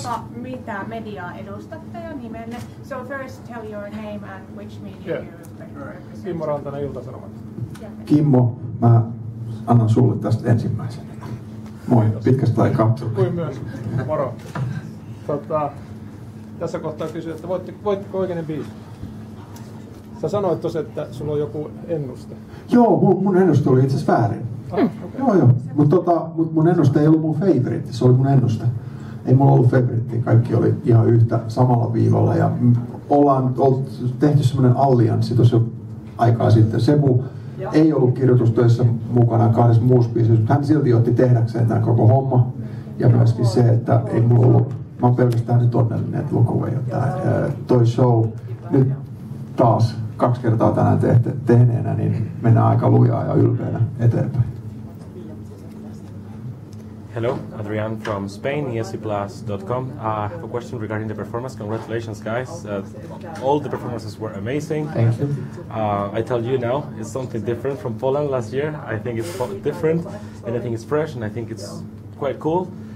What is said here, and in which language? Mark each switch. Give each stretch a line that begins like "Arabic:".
Finnish: eka mitä mediaa edustatte ja nimenne.
English: So first tell your name and which media yeah. you represent.
Finnish: Kimmo Rantanen Ilta-Sanomasta. Kimmo, mä annan sulle tästä ensimmäisen. Moi, pitkästä aikaa. Kuin myös. Moro. Tässä kohtaa kysyä, että voitteko oikeinen biisi? Sä sanoit tosiaan, että sulla on joku ennuste. Joo, mun ennuste oli itse asiassa väärin.
English: Okay.
Finnish: Joo, mutta mun ennuste ei ollut mun favoritti, se oli mun ennuste. Ei mulla ollut favoritti, kaikki oli ihan yhtä samalla viivalla. Ja ollaan tehty semmoinen allianssi tosi aikaa sitten. Sebu ei ollut kirjoitustöissä mukana kahdessa muussa biisissä, mutta hän silti otti tehdäkseen tämän koko homma. Ja myöskin se, että ei mulla ollut, mä oon pelkästään nyt onnellinen, että Lukuva ei ole toi show. Nyt taas kaksi kertaa tänään tehneenä, niin mennään aika lujaa ja ylpeänä eteenpäin.
English: Hello, Adrian from Spain, ESCBlast.com. I have a question regarding the performance. Congratulations, guys. All the performances were amazing. Thank you. I tell you now, it's something different from Poland last year. I think it's different, and I think it's fresh, and I think it's quite cool.